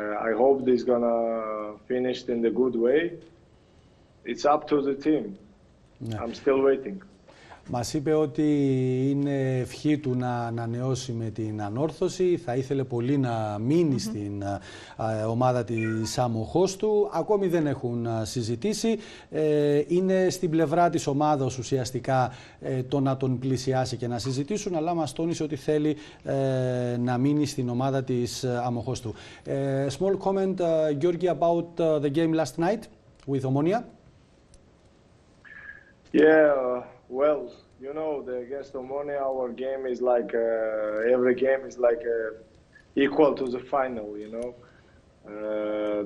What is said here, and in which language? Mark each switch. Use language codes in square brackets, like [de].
[en] I hope this is gonna finish in the good way. It's up to the team. Yeah. I'm still waiting. [el] Μας είπε ότι είναι ευχή του να ανανεώσει με την Ανόρθωση. Θα ήθελε πολύ να μείνει στην ομάδα της Αμοχώστου. Ακόμη δεν έχουν συζητήσει. Είναι στην πλευρά της ομάδας ουσιαστικά το να τον πλησιάσει και να συζητήσουν, αλλά μας τόνισε ότι θέλει να μείνει στην ομάδα της Αμοχώστου. [en] Small comment, Georgi, about the game last night with Omonia. Yeah. Well, you know, the against Omonia, our game is like every game is like equal to the final, you know.